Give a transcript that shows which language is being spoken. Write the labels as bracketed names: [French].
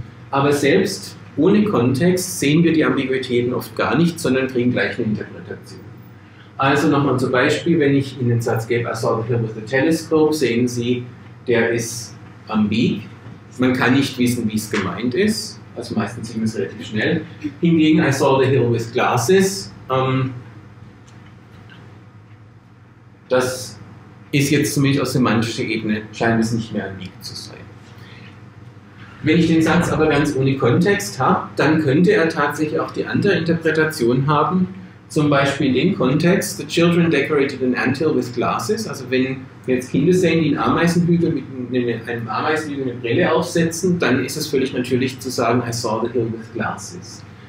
[German] Aber selbst ohne Kontext sehen wir die Ambiguitäten oft gar nicht, sondern kriegen gleich eine Interpretation. Also nochmal zum Beispiel, wenn ich Ihnen den Satz gebe, [English] I saw the hill with the telescope, [German] sehen Sie, der ist ambig. Man kann nicht wissen, wie es gemeint ist. Also meistens sehen wir es relativ schnell. Hingegen, [English] I saw the hill with glasses. [German] Das ist jetzt zumindest auf semantischer Ebene, scheint es nicht mehr ambig zu sein. Wenn ich den Satz aber ganz ohne Kontext habe, dann könnte er tatsächlich auch die andere Interpretation haben, zum Beispiel in dem Kontext, [English] the children decorated an anthill with glasses, [German] also wenn wir jetzt Kinder sehen, die einen Ameisenhügel mit einem Ameisenhügel eine Brille aufsetzen, dann ist es völlig natürlich zu sagen, [English] I saw the hill with glasses.